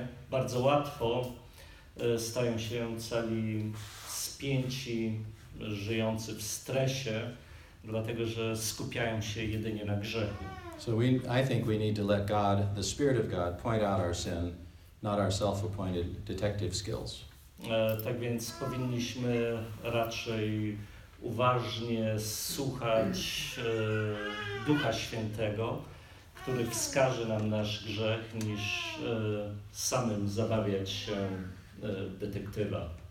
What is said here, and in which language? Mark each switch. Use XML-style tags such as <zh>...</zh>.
<pl>Bardzo łatwo stają się cali spięci, żyjący w stresie, dlatego że skupiają się jedynie na grzechu.</pl> <en>So I think we need to let God, the Spirit of God, point out our sin, not our self-appointed detective skills.</en> <pl>Tak więc powinniśmy raczej uważnie słuchać Ducha Świętego, który wskaże nam nasz grzech, niż samym zabawiać się detektywa.</pl>